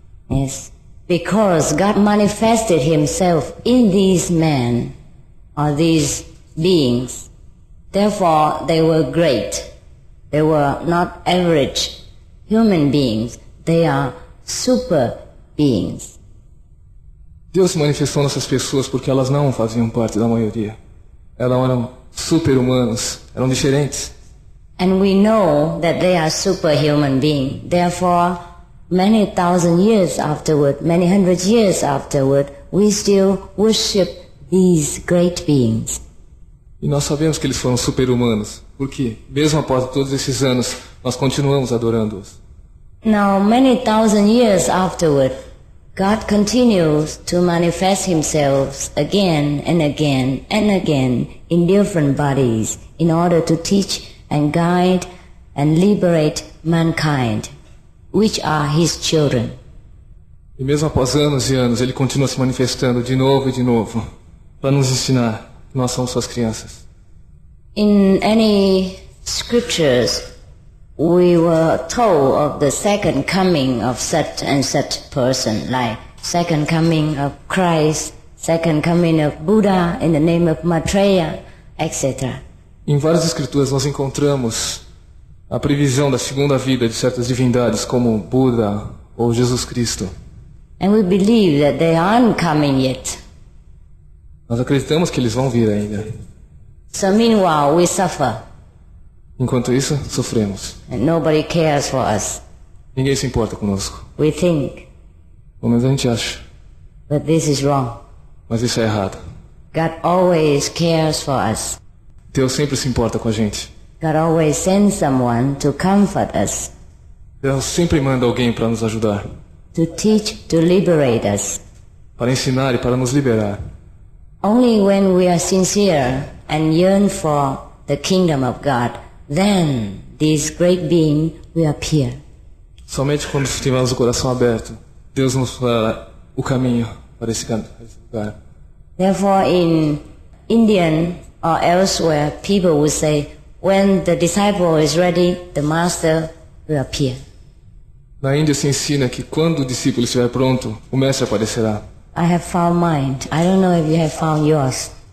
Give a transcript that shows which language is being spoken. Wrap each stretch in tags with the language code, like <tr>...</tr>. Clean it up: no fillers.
<en>Yes, because God manifested himself in these men or these beings. Therefore, they were great. They were not average human beings. They are super beings.</en> <pt>Deus manifestou nessas pessoas porque elas não faziam parte da maioria. Elas eram super-humanos, eram diferentes.</pt> <en>And we know that they are superhuman beings. Therefore, many thousand years afterward, many hundred years afterward, we still worship these great beings.</en> <pt>E nós sabemos que eles foram super-humanos. Por quê? Mesmo após todos esses anos, nós continuamos adorando-os.</pt> <en>Now, many thousand years afterward, God continues to manifest himself again and again and again in different bodies in order to teach and guide and liberate mankind, which are his children.</en> <pt>E mesmo após anos e anos, ele continua se manifestando de novo, para nos ensinar que nós somos suas crianças.</pt> <en>In any scriptures, we were told of the second coming of such and such person, like second coming of Christ, second coming of Buddha in the name of Maitreya, etc.</en> <pt>Em várias escrituras nós encontramos a previsão da segunda vida de certas divindades como Buda ou Jesus Cristo.</pt> <en>And we believe that they aren't coming yet.</en> <pt>Nós acreditamos que eles vão vir ainda.</pt> <en>So meanwhile, we suffer.</en> <pt>Enquanto isso, sofremos.</pt> <en>And nobody cares for us.</en> <pt>Ninguém se importa conosco.</pt> <en>We think.</en> <pt>Pelo menos a gente acha.</pt> <en>But this is wrong.</en> <pt>Mas isso é errado.</pt> <en>God always cares for us.</en> <pt>Deus sempre se importa com a gente.</pt> <en>God always sends someone to comfort us.</en> <pt>Deus sempre manda alguém para nos ajudar.</pt> <en>To teach, to liberate us.</en> <pt>Para ensinar e para nos liberar.</pt> <en>Only when we are sincere and yearn for the kingdom of God, then this great being will appear.</en> <pt>Somente quando tivermos o coração aberto, Deus nos fará o caminho para esse lugar.</pt> <en>Therefore, in Indian or elsewhere, people would say, when the disciple is ready, the master will appear.</en> <pt>Na Índia se ensina que quando o discípulo estiver pronto, o mestre aparecerá.</pt> <en>I have found mine. I don't know if you have found yours.</en>